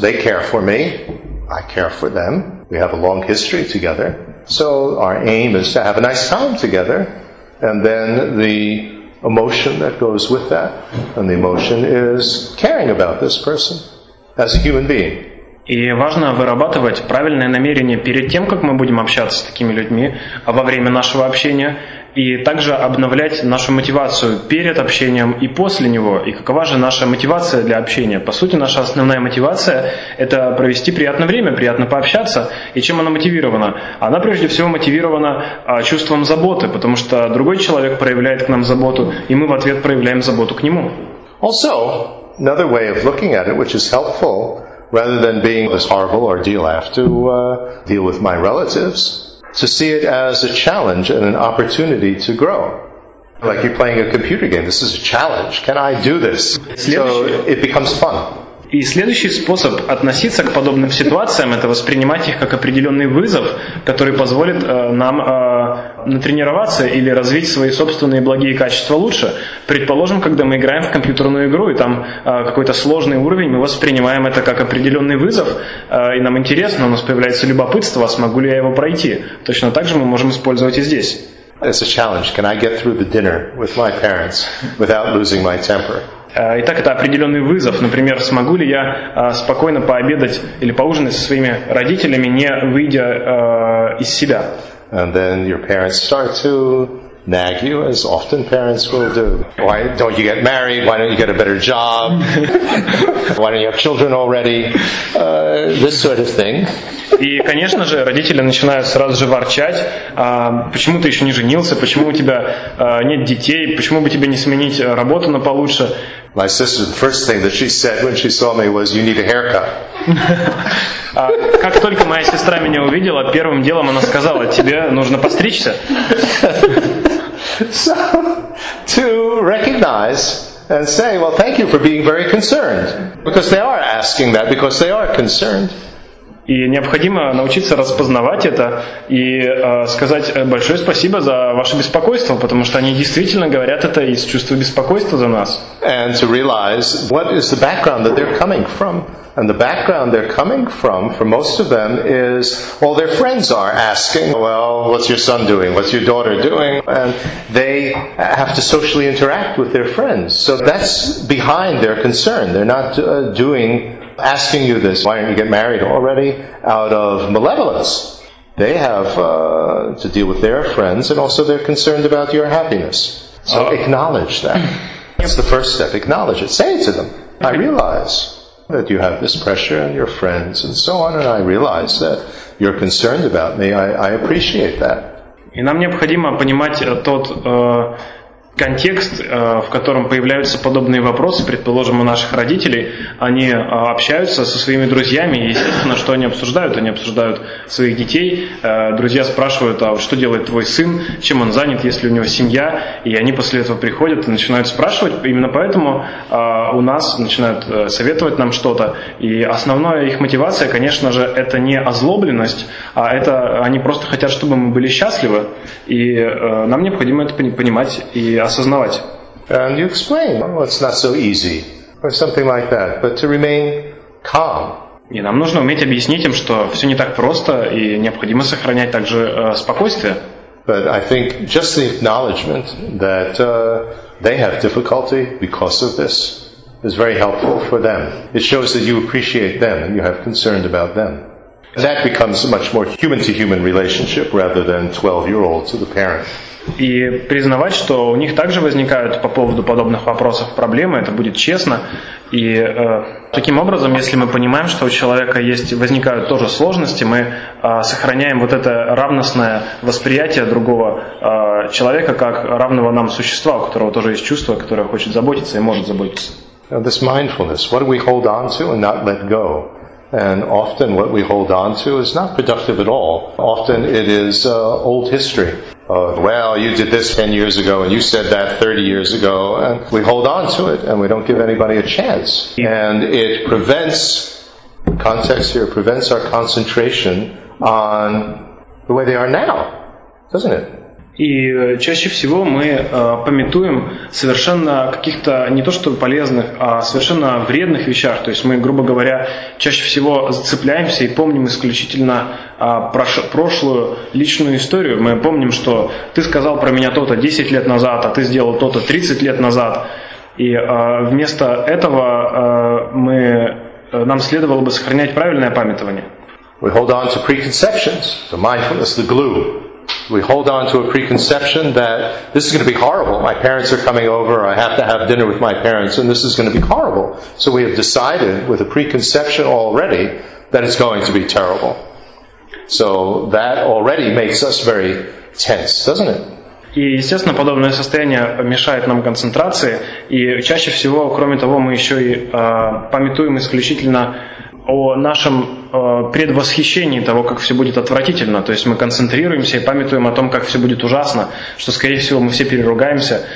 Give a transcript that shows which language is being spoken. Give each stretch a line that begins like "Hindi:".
English: They care for me. I care for them. We have a long history together. So our aim is to have a nice time together. And then the emotion that goes with that, and the emotion is caring about this person as a human being.
Russian: И важно вырабатывать правильное намерение перед тем, как мы будем общаться с такими людьми, а во время нашего общения, и также обновлять нашу мотивацию перед общением и после него. И какова же наша мотивация для общения? По сути, наша основная мотивация – это провести приятное время, приятно пообщаться. И чем она мотивирована? Она, прежде всего, мотивирована чувством заботы, потому что другой человек проявляет к нам заботу, и мы в ответ проявляем заботу к нему.
English: Also, another way of looking at it, which is helpful, rather than being this horrible ordeal I have to deal with my relatives, to see it as a challenge and an opportunity to grow. Like you're playing a computer game. This is a challenge. Can I do this?
Russian: Следующий.
English: So it becomes fun.
Russian: И следующий способ относиться к подобным ситуациям – это воспринимать их как определенный вызов, который позволит нам натренироваться или развить свои собственные благие качества лучше. Предположим, когда мы играем в компьютерную игру, и там какой-то сложный уровень, мы воспринимаем это как определенный вызов, и нам интересно, у нас появляется любопытство, а смогу ли я его пройти. Точно так же мы можем использовать и здесь.
English: It's a challenge. Can I get through the dinner with my parents without losing my temper?
Russian: Итак, это определенный вызов. Например, смогу ли я спокойно пообедать или поужинать со своими родителями, не выйдя из себя?
English: And then your parents start to nag you, as often parents will do. Why don't you get married? Why don't you get a better job? Why don't you have children already? This sort of thing.
Russian: И, конечно же, родители начинают сразу же ворчать. Почему ты еще не женился? Почему у тебя нет детей? Почему бы тебе не сменить работу на получше?
English: My sister, the first thing that she said when she saw me was, "You need a haircut."
Russian: Как только моя сестра меня увидела, первым делом она сказала, тебе нужно постричься.
English: So, to recognize and say, well, thank you for being very concerned. Because they are asking that, because they are concerned.
Russian: И необходимо научиться распознавать это и сказать большое спасибо за ваше беспокойство, потому что они действительно говорят это из чувства беспокойства за нас.
English: And to realize what is the background that they're coming from. And the background they're coming from, for most of them, is all their friends are asking, well, what's your son doing? What's your daughter doing? And they have to socially interact with their friends. So that's behind their concern. They're not doing asking you this, why aren't you getting married already, out of malevolence. They have to deal with their friends, and also they're concerned about your happiness. So acknowledge that. That's the first step. Acknowledge it. Say it to them. I realize that you have this pressure on your friends and so on, and I realize that you're concerned about me. I appreciate that.
Russian: И нам необходимо понимать тот контекст, в котором появляются подобные вопросы, предположим, у наших родителей. Они общаются со своими друзьями, и естественно, что они обсуждают? Они обсуждают своих детей. Друзья спрашивают, а что делает твой сын? Чем он занят? Есть ли у него семья? И они после этого приходят и начинают спрашивать. Именно поэтому у нас начинают советовать нам что-то. И основная их мотивация, конечно же, это не озлобленность, а это они просто хотят, чтобы мы были счастливы. И нам необходимо это понимать и осознавать.
English: And you explain, well, it's not so easy, or something like that, but to remain calm.
Russian: И нам нужно уметь объяснить им, что все не так просто, и необходимо сохранять также спокойствие.
English: But I think just the acknowledgement that they have difficulty because of this is very helpful for them. It shows that you appreciate them, and you have concern about them. That becomes a much more human-to-human relationship rather than 12-year-old to the parent.
Russian: И признавать, что у них также возникают по поводу подобных вопросов проблемы, это будет честно. И таким образом, если мы понимаем, что у человека есть, возникают тоже сложности, мы сохраняем вот это равностное восприятие другого человека как равного нам существа, у которого тоже есть чувства, которое хочет заботиться и может заботиться.
English: This mindfulness, what do we hold on to and not let go? And often what we hold on to is not productive at all. Often it is old history. Well, you did this 10 years ago, and you said that 30 years ago, and we hold on to it, and we don't give anybody a chance. And it prevents, the context here, prevents our concentration on the way they are now, doesn't it?
Russian: И чаще всего мы памятуем совершенно каких-то не то что полезных, а совершенно вредных вещах. То есть мы, грубо говоря, чаще всего зацепляемся и помним исключительно прошлую личную историю. Мы помним, что ты сказал про меня то-то 10 лет назад, а ты сделал то-то 30 лет назад. И вместо этого нам следовало бы сохранять правильное памятование.
English: We hold on to preconceptions, the mindfulness, the glue. We hold on to a preconception that this is going to be horrible. My parents are coming over, I have to have dinner with my parents, and this is going to be horrible. So we have decided with a preconception already that it's going to be terrible. So that already makes us very tense, doesn't it?
Russian: И, естественно, подобное состояние мешает нам концентрации, и чаще всего, кроме того, мы еще и памятуем исключительно о нашем предвосхищении того, как все будет отвратительно. То есть мы концентрируемся и памятуем о том, как все будет ужасно, что, скорее всего, мы все переругаемся.